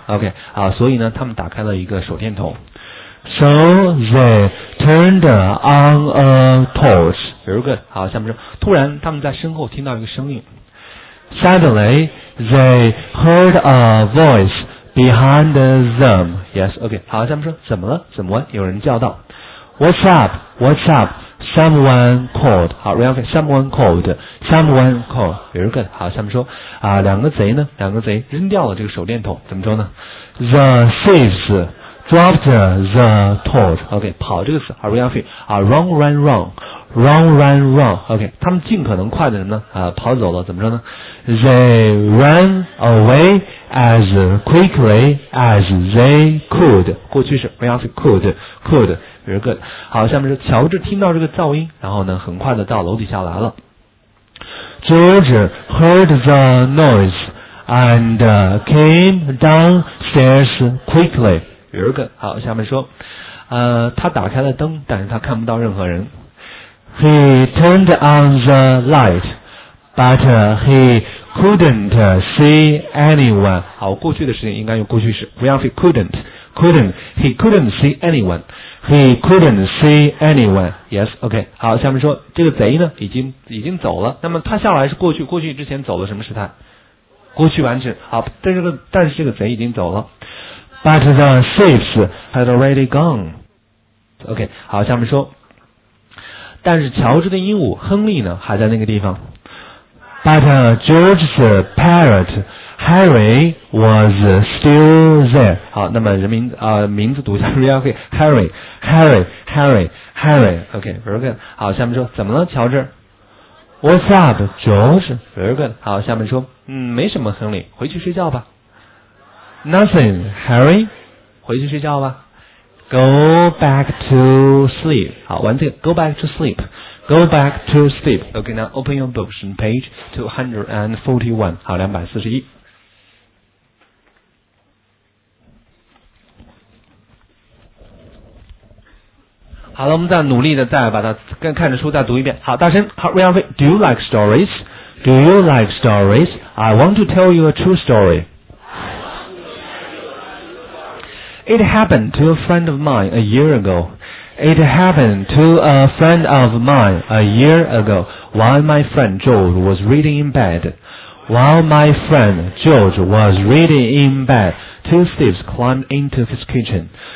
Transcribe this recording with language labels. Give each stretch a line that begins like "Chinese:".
Chinese: OK， 啊，所以呢，他们打开了一个手电筒。
English: So they turned on a torch. Very good.
Chinese: 好，下面说，突然他们在身后听到一个声音。
English: Suddenly they heard a voice behind them. Yes.
Chinese: OK， 好，下面说，怎么了？怎么了？有人叫道。
English: What's up? What's up? Someone called. 好 ，Someone called. Someone called. Very good.
Chinese: 好，下面说啊，两个贼呢？两个贼扔掉了这个手电筒，怎么说呢 ？
English: The thieves dropped the torch. OK， 跑这个词。好 ，Run, run, run, run, run, run, run.
Chinese: OK， 他们尽可能快的什么呢？啊，跑走了，怎么说呢
English: ？They ran away as quickly as they could.
Chinese: 过去式
English: ，Run, could, could. Very good.
Chinese: 好，下面是乔治听到这个噪音，然后呢很快的到楼底下来了。
English: George heard the noise and came downstairs quickly. Very good.
Chinese: 好，下面说他打开了灯，但是他看不到任何人。
English: He turned on the light, but he couldn't see anyone.
Chinese: 好，过去的事情应该用过去式。
English: He couldn't, couldn't, he couldn't see anyone. He couldn't see anyone. Yes, OK.
Chinese: 好，下面说这个贼呢已经走了。那么他下来是过去，过去之前走了什么时态？过去完成。好，但是这个贼已经走了。
English: But the thieves had already gone. OK.
Chinese: 好，下面说，但是乔治的鹦鹉亨利呢还在那个地方。
English: But George's parrot Harry was still there.
Chinese: 好，那么人名名字读一下 ，
English: real name Harry。 Harry, Harry, Harry. OK, very good.
Chinese: 好，下面说，怎么了，乔治
English: ？What's up, George? Very good.
Chinese: 好，下面说，没什么，亨利，回去睡觉吧。
English: Nothing, Harry.
Chinese: 回去睡觉吧。
English: Go back to sleep.
Chinese: 好，完这个
English: ，Go back to sleep. Go back to sleep. OK, now open your books on page 241.
Chinese: 好，241。好了，我们再努力的再把它跟看着书再读一遍。好，大声。好 ，Ryan Fei，
English: Do you like stories? Do you like stories? I want to tell you a true story. It happened to a friend of mine a year ago. It happened to a friend of mine a year ago. While my friend George was reading in bed, while my friend George was reading in bed, two thieves climbed into his kitchen.